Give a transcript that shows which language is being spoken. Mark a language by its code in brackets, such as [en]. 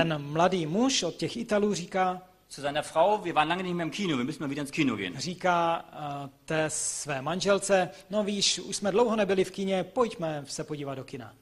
[cs] Ten mladý muž od těch Italů říká [de] zu seiner Frau, wir waren lange nicht mehr im Kino, wir müssen mal wieder ins Kino gehen. [cs] Říká té své manželce, no víš, už jsme dlouho nebyli v kině, pojďme se podívat do kina.